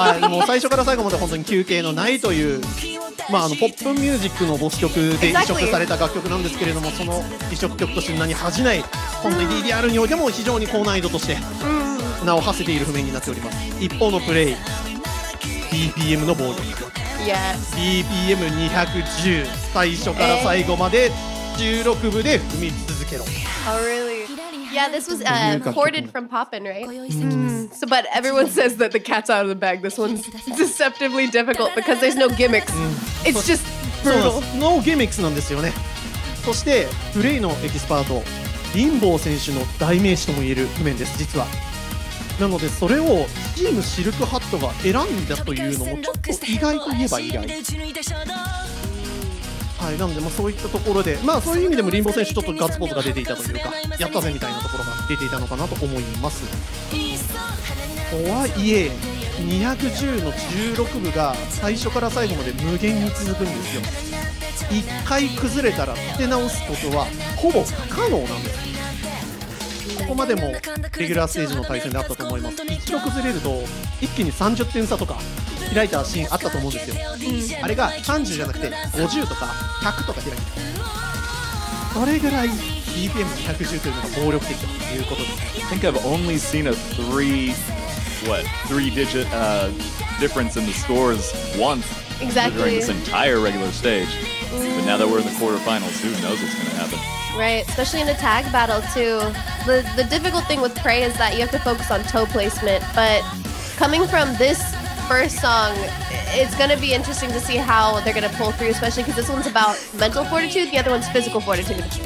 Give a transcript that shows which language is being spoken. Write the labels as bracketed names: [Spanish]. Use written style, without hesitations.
[Japanese] はい、もう最初から最後まで本当に休憩のないという、まあ、あのポップミュージックのボス曲で移植された楽曲なんですけれども、その移植曲として名に恥じない、本当にリアルにおいても非常に高難易度として名を馳せている譜面になっております。一方のプレイ BPM の暴力、 [English] yes. [Japanese] BPM210 最初から最後まで16部で踏み続けろ。 [English] Oh really? Yeah, this was ported from Poppin, right? So, but everyone says that the cat's out of the bag. This one's deceptively difficult because there's no gimmicks. It's just brutal. No gimmicks [Japanese] なんですよね。そしてプレイのエキスパート、リンボー選手の代名詞とも言える譜面です、実は。なのでそれをチームシルクハットが選んだというのもちょっと意外といえば意外。はい、なのでまあそういったところで、まあそういう意味でもリンボー選手ちょっとガッツポーズが出ていたというか、やったぜみたいなところが出ていたのかなと思います。とはいえ210の16部が最初から最後まで無限に続くんですよ。一回崩れたら立て直すことはほぼ不可能なんです。ここまでもレギュラーステージの対戦であったと思います。一度崩れると一気に30点差とか開いたシーンあったと思うんですよ、うん、あれが30じゃなくて50とか100とか開いた、それぐらい BPM110 というのが暴力的ということです。 [English] I think I've only seen a three digit difference in the scores once、 exactly. during this entire regular stage、mm. but now that we're in the quarterfinals, who knows what's going to happen、 right. especially in a tag battle too. The difficult thing with Prey is that you have to focus on toe placement, but coming from thisFirst song, it's going to be interesting to see how they're going to pull through, especially because this one's about mental fortitude, the other one's physical fortitude.